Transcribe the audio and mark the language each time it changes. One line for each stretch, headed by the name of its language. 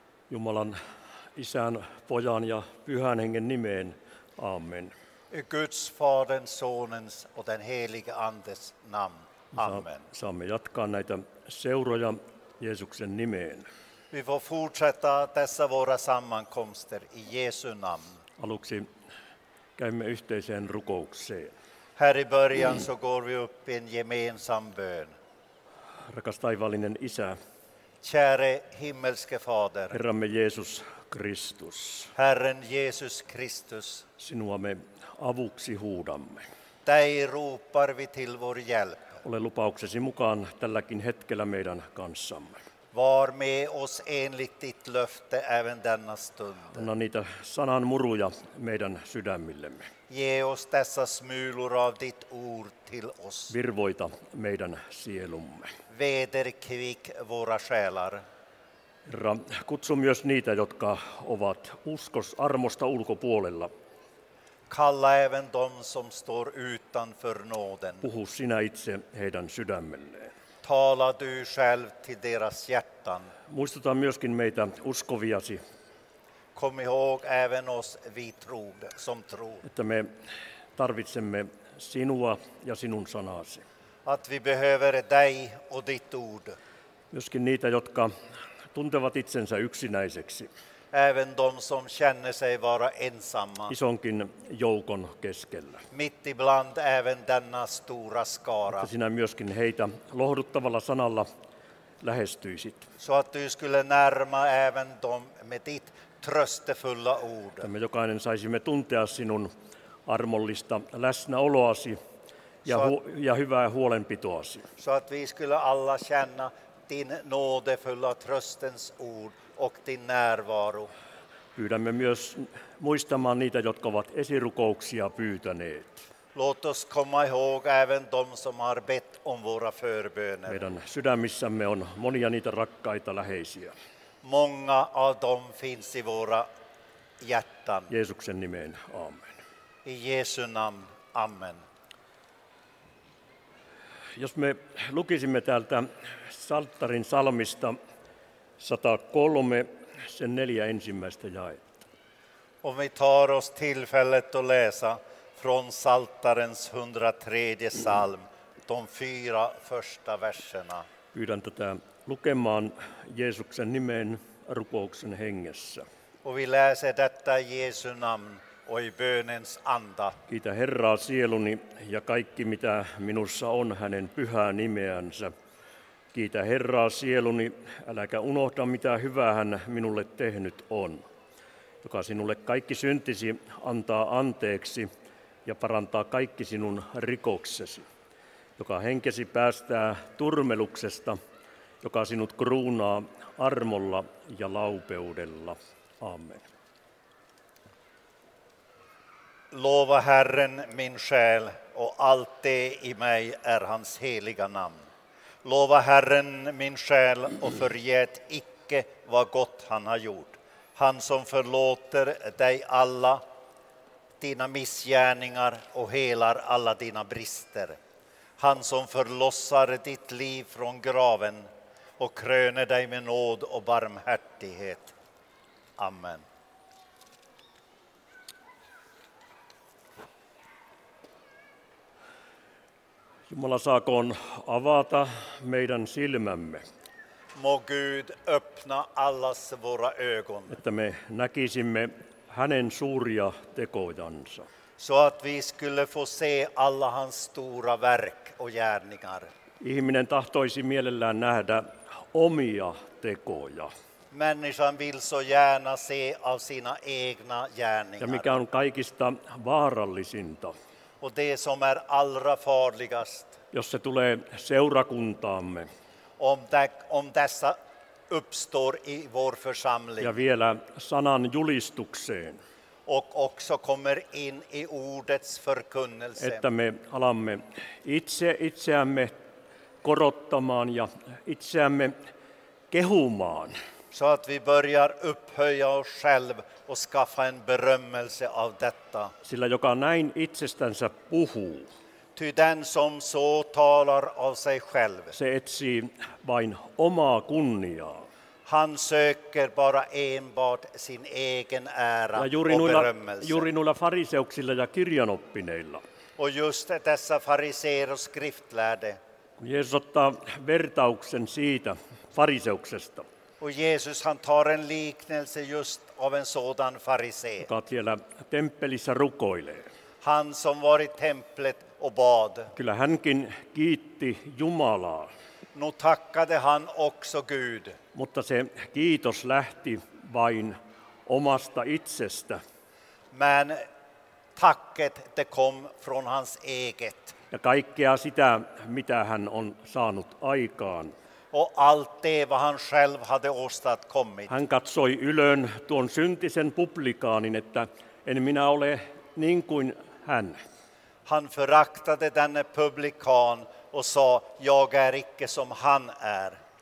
Finnish: Jumalan, Isän, Pojan ja Pyhän Hengen nimeen. Amen.
Swedish: I Guds, Faderns, Sonens och den helige Andes namn. Amen.
Finnish: Saamme jatkaa näitä seuroja Jeesuksen nimeen.
Swedish: Vi får fortsätta dessa våra sammankomster i Jesu namn.
Finnish: Aluksi käymme yhteiseen rukoukseen.
Swedish: Här i början så går vi upp i en gemensam bön.
Finnish: Rakas taivaallinen Isä.
Swedish: Käre himmelske Fader.
Finnish: Herramme Jeesus Kristus.
Swedish: Herren Jeesus Kristus.
Finnish: Sinua me avuksi huudamme.
Swedish: Täi ruupar vi till vår hjälp.
Finnish: Ole lupauksesi mukaan tälläkin hetkellä meidän kanssamme.
Swedish: Var med oss enligt ditt löfte även denna stund.
Finnish: Anna niitä sanan muruja meidän sydämillemme.
Swedish: Ge oss dessa smulor av ditt ord till oss.
Finnish: Virvoita meidän sielumme.
Swedish: Vederkvik våra själar.
Finnish: Herra, kutsu myös niitä, jotka ovat uskos armosta ulkopuolella.
Swedish: Kalla även dem som står utanför nåden.
Finnish: Puhu sinä itse heidän sydämelleen.
Swedish: Tala du själv till deras hjärtan.
Finnish: Muistuta myöskin meitä uskoviasi.
Swedish: Kom ihåg även oss vi troende som tror.
Finnish: Että me tarvitsemme sinua ja sinun sanasi.
Swedish: Att vi behöver dig och ditt ord.
Finnish: Myöskin niitä, jotka tuntevat itsensä yksinäiseksi.
Swedish: Även de som känner sig vara ensamma.
Finnish: Isonkin joukon keskellä.
Swedish: Mitt ibland även denna stora skara.
Finnish: Mutta sinä myöskin heitä lohduttavalla sanalla lähestyisit.
Swedish: Så att du skulle närma även dem med ditt tröstefulla ord.
Finnish: Me jokainen saisimme tuntea sinun armollista läsnäoloasi ja hyvää huolenpitoasi.
Swedish: Så att vi skulle alla känna din nådefulla tröstens ord. Och din närvaro.
Finnish: Pyydämme myös muistamaan niitä, jotka ovat esirukouksia pyytäneet.
Swedish: Låt oss komma ihåg även de som har bett om våra förböner.
Finnish: Meidän sydämissämme on monia niitä rakkaita läheisiä.
Swedish: Många av dem finns i våra hjärtan.
Finnish: Jeesuksen nimeen, amen.
Swedish: I Jeesu namn, amen.
Finnish: Jos me lukisimme täältä Salttarin salmista 103, sen 4 ensimmäistä jaetta.
Swedish: Om vi tar oss tillfället att läsa från Saltarens 103 salm, de 4 första verserna.
Finnish: Pyydän tätä lukemaan Jeesuksen nimen rukouksen hengessä.
Swedish: Och vi läser detta Jeesu namn och i bönens anda.
Finnish: Kiitä Herraa sieluni ja kaikki mitä minussa on hänen pyhää nimeänsä. Kiitä Herraa sieluni, äläkä unohda, mitä hyvää hän minulle tehnyt on. Joka sinulle kaikki syntisi antaa anteeksi ja parantaa kaikki sinun rikoksesi. Joka henkesi päästää turmeluksesta, joka sinut kruunaa armolla ja laupeudella. Amen.
Swedish: Lova Herren min själ, och allt det i mig är hans heliga namn. Lova Herren min själ och förget icke vad gott han har gjort. Han som förlåter dig alla dina missgärningar och helar alla dina brister. Han som förlossar ditt liv från graven och kröner dig med nåd och barmhärtighet. Amen.
Finnish: Jumala saakoon avata meidän silmämme.
Swedish: Må Gud öppna allas våra ögon.
Finnish: Että me näkisimme hänen suuria tekojansa.
Swedish: Så att vi skulle få se alla hans stora verk och gärningar.
Finnish: Ihminen tahtoisi mielellään nähdä omia tekoja.
Swedish: Människan vill så gärna se av sina egna gärningar.
Finnish: Ja mikä on kaikista vaarallisinta.
Swedish: Och det som är allra farligast.
Finnish: Jos se tulee seurakuntaamme.
Swedish: Om dessa uppstår i vår församling.
Finnish: Ja vielä sanan julistukseen.
Swedish: Och också kommer in i ordets förkunnelse.
Finnish: Että me alamme itse itseämme korottamaan ja itseämme kehumaan.
Swedish: Så att vi börjar upphöja oss själv och skaffa en berömmelse av detta.
Finnish: Sillä joka näin itsestänsä puhuu.
Swedish: Ty den som så talar av sig själv.
Finnish: Se etsii vain omaa kunniaa.
Swedish: Han söker bara enbart sin egen ära
Finnish: ja
Swedish: och berömmelse.
Finnish: Juuri noilla fariseuksilla ja kirjanoppineilla.
Swedish: Och just dessa fariseer och skriftlärde.
Finnish: Jeesus ottaa vertauksen siitä fariseuksesta.
Swedish: Och Jesus han tar en liknelse just av en sådan farisee.
Finnish: Joka siellä temppelissä rukoilee.
Swedish: Han som var i templet och bad.
Finnish: Kyllä hänkin kiitti Jumalaa.
Swedish: Nu tackade han också Gud.
Finnish: Mutta se kiitos lähti vain omasta itsestä.
Swedish: Men tacket det kom från hans eget.
Finnish: Ja kaikkea sitä, mitä hän on saanut aikaan.
Swedish: Och allt det vad han själv hade åstadkommit.
Finnish: Hän katsoi ylön tuon syntisen publikaanin, että en minä ole niin kuin hän.
Swedish: Han föraktade denne publikan och sa, jag är icke som han är.